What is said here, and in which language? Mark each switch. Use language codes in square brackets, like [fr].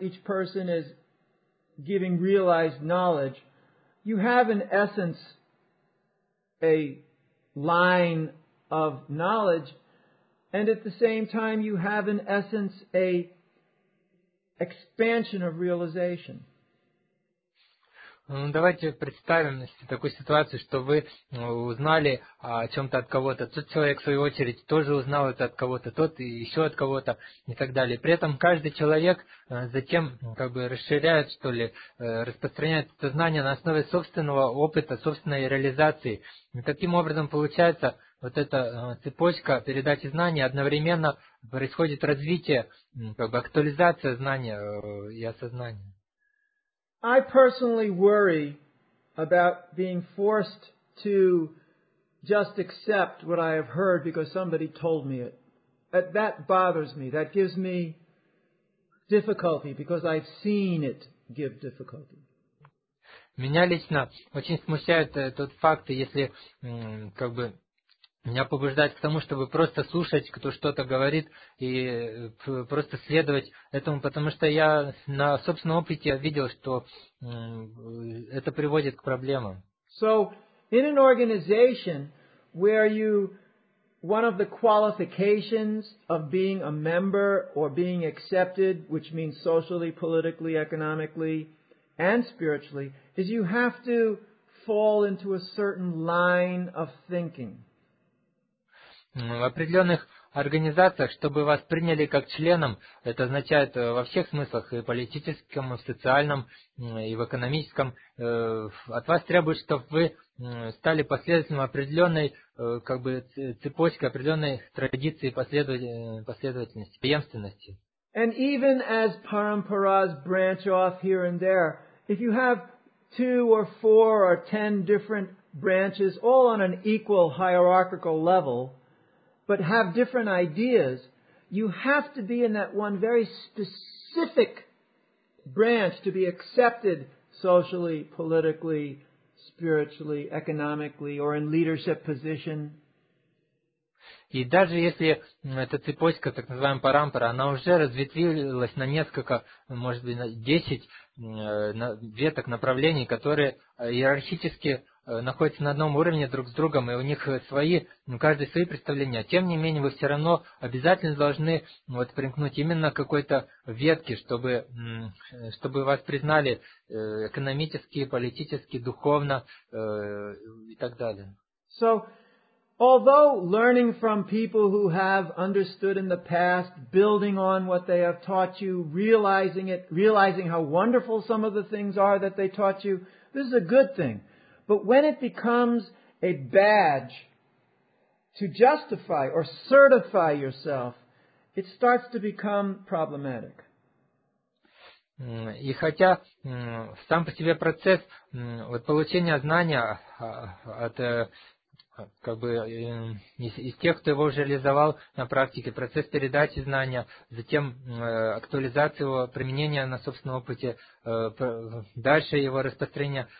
[en] Each person is giving realized knowledge. You have in essence a line of knowledge. And at the same time, you have, in essence, a expansion of realization. [ru] Ну, давайте представим такую ситуацию, что вы узнали о чем-то от кого-то. Тот человек, в свою очередь, тоже узнал это от кого-то, тот и еще от кого-то и так далее. При этом каждый человек затем как бы расширяет, что ли, распространяет это знание на основе собственного опыта, собственной реализации. И таким образом получается вот эта цепочка передачи знаний, одновременно происходит развитие, как бы актуализация знания и осознания. [en] I personally worry about being forced to just accept what I have heard because somebody told me it. That bothers me. That gives me difficulty because I've seen it give difficulty. [ru] Меня лично очень смущает тот факт, если как бы меня побуждает к тому, чтобы просто слушать, кто что-то говорит, и просто следовать этому, потому что я на собственном опыте видел, что это приводит к проблемам. [en] So, in an organization where you, one of the qualifications of being a member or being accepted, which means socially, politically, economically, and spiritually, is you have to fall into a certain line of thinking. [ru] В определенных организациях, чтобы вас приняли как членом, это означает во всех смыслах, и политическом, и в социальном, и в экономическом, от вас требуют, чтобы вы стали последователем определенной как бы цепочки, определенной традиции последовательности, преемственности. [en] And even as paramparas branch off here and there, if you have two or four or ten different branches, all on an equal hierarchical level, but have different ideas, you have to be in that one very specific branch to be accepted socially, politically, spiritually, economically, or in leadership position. [ru] И даже если эта цепочка, так называемая парампара, она уже разветвилась на несколько, может быть, на 10 веток направлений, которые иерархически находятся на одном уровне друг с другом, и у них свои, ну, каждый свои представления. Тем не менее, вы все равно обязательно должны вот примкнуть именно к какой-то ветке, чтобы вас признали экономически, политически, духовно и так далее. [en] So, although learning from people who have understood in the past, building on what they have taught you, realizing it, realizing how wonderful some of the things are that they taught you, this is a good thing. But when it becomes a badge to justify or certify yourself, it starts to become problematic. [ru] И хотя сам по себе процесс вот получения знания от как бы из тех, кто его уже реализовал на практике, процесс передачи знания, затем актуализации его применения на собственном опыте, дальше его распространение.